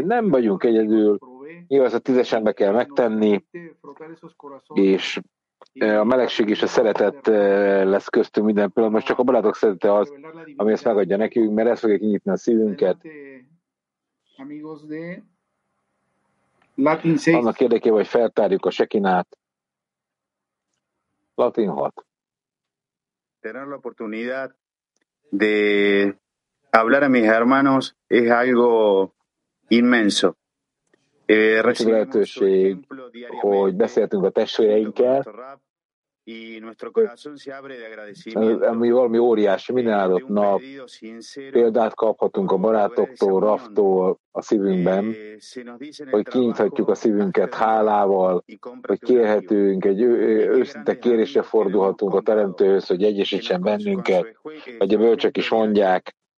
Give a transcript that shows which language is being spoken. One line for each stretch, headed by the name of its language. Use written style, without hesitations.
Hungarian: Nem vagyunk egyedül, nyilván ezt a tízesen be kell megtenni, és a melegség és a szeretet lesz köztünk minden pillanat. Most csak a barátok szeretete az, ami ezt megadja nekünk, mert ezt fogja kinyitni a szívünket.
Spanish: Amigos de Latin 6.
Hungarian: Annak érdekében, hogy feltárjuk a Sekinát.
Spanish: Latin 6. Tener la oportunidad de hablar a mis hermanos es algo inmenso. Recibimos un ejemplo diariamente,
Hungarian: hogy beszéltünk a testvéreinkkel.
Spanish: Y nuestro corazón se abre de agradecimiento.
Hungarian: Ami valami óriási, minden áldott nap. Példát kaphatunk a barátoktól, Raftól a szívünkben, hogy kinyithatjuk a szívünket hálával, hogy kérhetünk, egy őszinte kérésre fordulhatunk a Teremtőhöz, hogy egyesítsen bennünket, hogy a bölcsök is mondják.